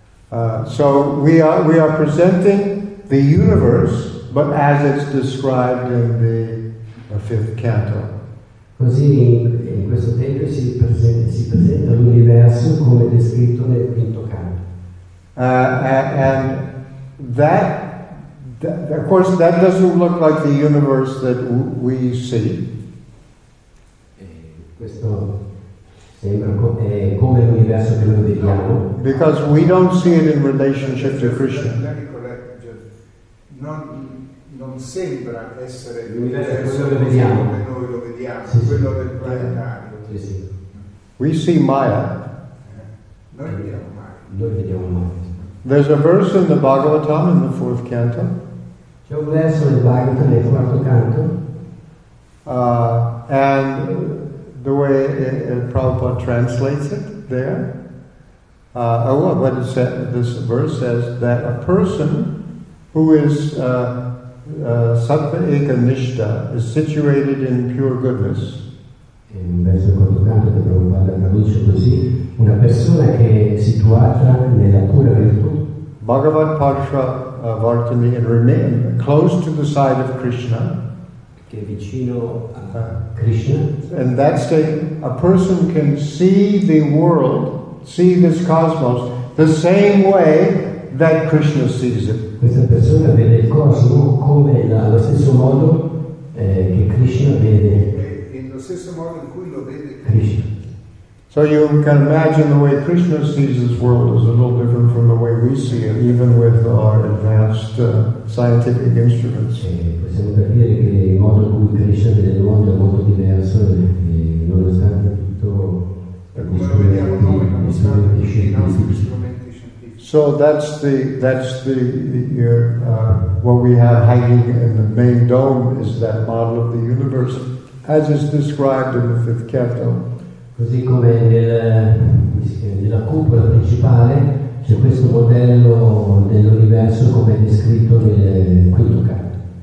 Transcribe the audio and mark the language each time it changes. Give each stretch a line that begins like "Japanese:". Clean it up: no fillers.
English: So we are presenting the universe, but as it's described in the fifth canto.
Italian: Così in questo tempio si presenta l'universo come descritto nel quinto canto.
English: And that of course that doesn't look like the universe that we see.
Italian: Questo sembra come l'universo che noi vediamo.
English: Because we don't see it in relationship to Krishna.
Italian: Non sembra essere l'universo che vediamo. Noi lo vediamo, sì, quello del planetario. Sì, sì.
English: We see Maya.
Italian: Noi vediamo Maya.
English: There's a verse in the Bhagavatam in the fourth canto.
Italian: C'è un verso del Bhagavatam nel quarto canto.
English: And the way it Prabhupada translates it there, this verse says that a person who is sattva eka nishta is situated in pure goodness.
Italian: In verso del quarto canto che Prabhupada traduce così, una persona che è situata nella pura virtù.
English: Bhagavad Parsha Vartami and remain close to the side of Krishna.
Italian: Che è vicino a Krishna.
English: In that state, a person can see the world, see this cosmos, the same way that Krishna sees it.
Italian: Questa persona vede il cosmo come allo stesso modo che Krishna vede. In lo stesso modo in cui lo vede Krishna.
English: So you can imagine the way Krishna sees this world is a little different from the way we see it, even with our advanced scientific instruments. Okay. So that's what we have hanging in the main dome is that model of the universe, as is described in the fifth canto.
Italian: Così come nella cupola principale c'è questo modello dell'universo come descritto nel quinto canto.